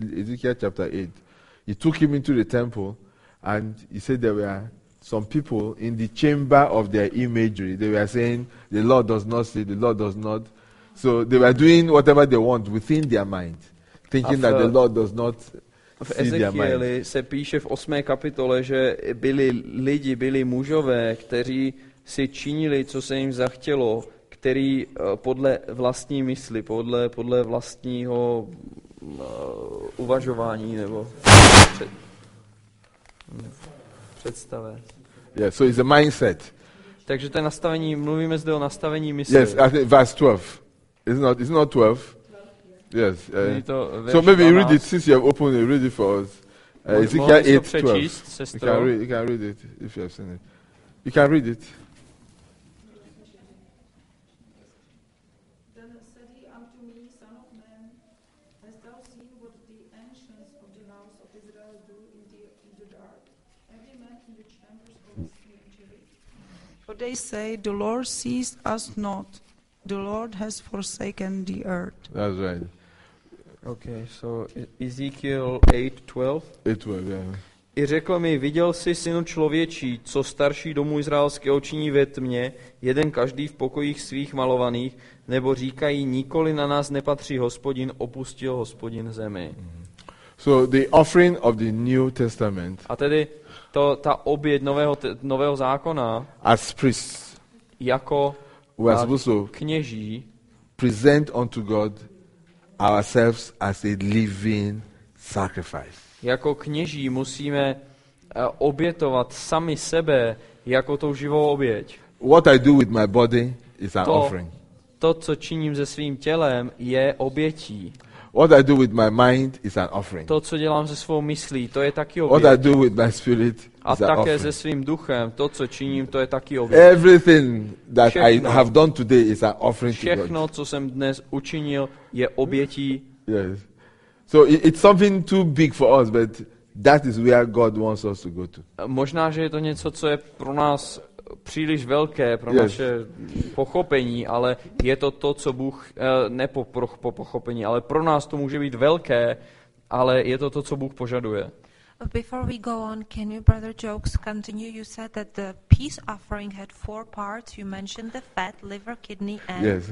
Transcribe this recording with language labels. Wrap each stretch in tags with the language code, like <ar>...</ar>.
<en>Ezekiel chapter 8, he took him into the temple, and he said there were some people in the chamber of their imagery. They were saying, the Lord does not see, the Lord does not. So they were doing whatever they want within their mind, thinking that the Lord does not.</en> <cs>V Ezechieli se píše v 8. kapitole, že byli mužové, kteří si činili, co se jim zachtělo, který podle vlastní mysli, podle vlastního uvažování nebo představy.</cs> <en>Yeah, so it's a mindset.</en> <cs>Takže to nastavení, mluvíme zde o nastavení mysli.</cs> <en>Yes, I think verse 12. It's not 12. Yes. So maybe you read it since you have opened it. Read it for us. Ezekiel 8:12. You can read it if you have seen it. You can read it. Then said he unto me, son of man, hast thou seen what the ancients of the house of Israel do in the dark? Every man in the chambers of his imagery. For they say, the Lord sees us not. The Lord has forsaken the earth. That's right. Okay, so Ezekiel 8:12. It was, yeah.</en> <cs>I řekl mi, viděl jsi, synu člověčí, co starší domů izraelského činí ve tmě, jeden každý v pokojích svých malovaných, nebo říkají, nikoli na nás nepatří Hospodin, opustil Hospodin zemi. Mm-hmm.</cs> <en>So the offering of the New Testament.</en> <cs>A tedy ta oběť nového zákona.</cs> <en>As priests.</en> <cs>Jako kněží.</cs> <en>Present unto God ourselves as a living sacrifice.</en> <cs>Jako kněží musíme obětovat sami sebe jako tou živou oběť.</cs> <en>What I do with my body is an offering.</en> <cs>To, co činím se svým tělem, je obětí.</cs> <en>What I do with my mind is an offering.</en> <cs>To, co dělám se svou myslí, to je taky oběť.</cs> <en>What I do with my spirit is an offering.</en> <cs>A také se svým duchem, to, co činím, to je taky oběť.</cs> <en>Everything that I have done today is an offering to God.</en> <cs>Všechno, co jsem dnes učinil, je obětí.</cs> <en>Yes. So it's something too big for us, but that is where God wants us to go to.</en> <cs>Možná, že je to něco, co je pro nás příliš velké pro yes. naše pochopení, ale je to, co Bůh, po pochopení, ale pro nás to může být velké, ale je to, co Bůh požaduje.</cs> <en>Before we go on, can you, brother Jokes, continue? You said that the peace offering had four parts. You mentioned the fat, liver, kidney, and...</en>